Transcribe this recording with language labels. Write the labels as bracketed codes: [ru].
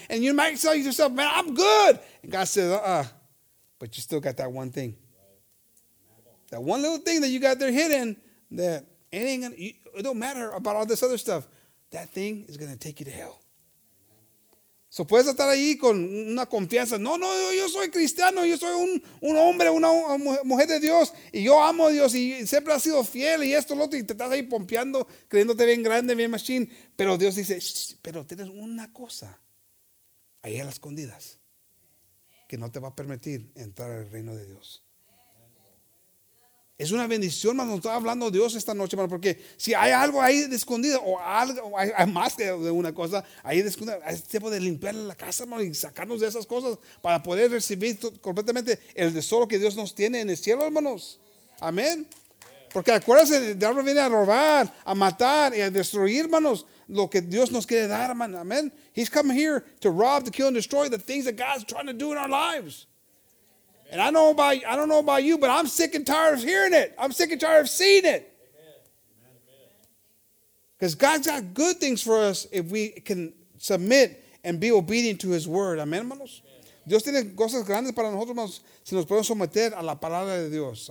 [en] And you might tell yourself, man, I'm good. And God says, but you still got that one thing. That one little thing that you got there hidden that it don't matter about all this other stuff. That thing is going to take you to hell. [es] So puedes estar ahí con una confianza. No, yo soy cristiano, yo soy un hombre, una mujer de Dios, y yo amo a Dios, y siempre has sido fiel, y esto, lo otro, y te estás ahí pompeando, creyéndote bien grande, bien machine. Pero Dios dice, pero tienes una cosa ahí a las escondidas que no te va a permitir entrar al reino de Dios. Es una bendición, hermano. Estoy hablando de Dios esta noche, hermano, porque si hay algo ahí de escondido o algo, hay más de una cosa ahí de escondida, hay tiempo de limpiar la casa, hermano, y sacarnos de esas cosas para poder recibir completamente el tesoro que Dios nos tiene en el cielo, hermanos. Amén. Porque acuérdense, el diablo viene a robar, a matar y a destruir, hermanos, lo que Dios nos quiere dar, hermano. Amén. [en] He's come here to rob, to kill, and destroy the things that God's trying to do in our lives. And I don't know about you, but I'm sick and tired of hearing it. I'm sick and tired of seeing it. Because God's got good things for us if we can submit and be obedient to his word. [es] Amen, hermanos? Amen. Dios tiene cosas grandes para nosotros, hermanos, si nos podemos someter a la palabra de Dios.